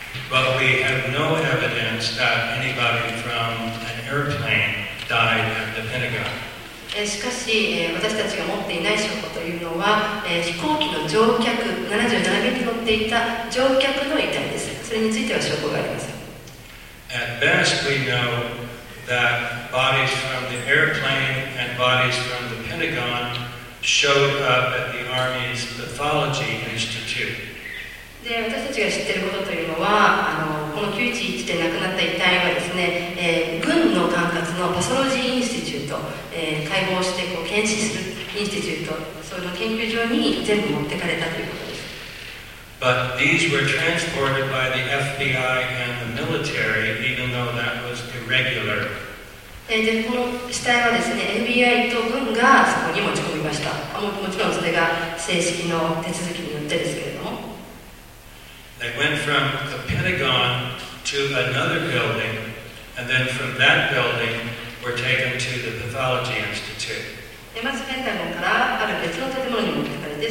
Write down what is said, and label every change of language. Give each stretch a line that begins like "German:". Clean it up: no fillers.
English: But we have no evidence that anybody from an airplane died at the Pentagon.
Japanese: しかし、私たちが持っていない証拠というのは、飛行機の乗客、77名に乗っていた乗客の遺体です。それについては証拠があります。
English: At best, we know that bodies from the airplane and bodies from the Pentagon showed up at the Army's Pathology Institute.
Japanese: で、私たちが知っていることというのは、この911で亡くなった遺体はですね、軍の管轄のパソロジーインスティチュート、解剖してこう検視するインスティチュート、その研究所に全部持ってかれたということ。
English: But these were transported by the FBI and the military, even though that was irregular.
Japanese: で、この死体はですね、FBI と軍がそこに持ち込みました。もちろんそれが正式の手続きによってですけれども。
English: They went from the Pentagon to another building, and then from that building were taken to the Pathology Institute.
Japanese: で、まずペンタゴンからある別の建物に持ってかれました。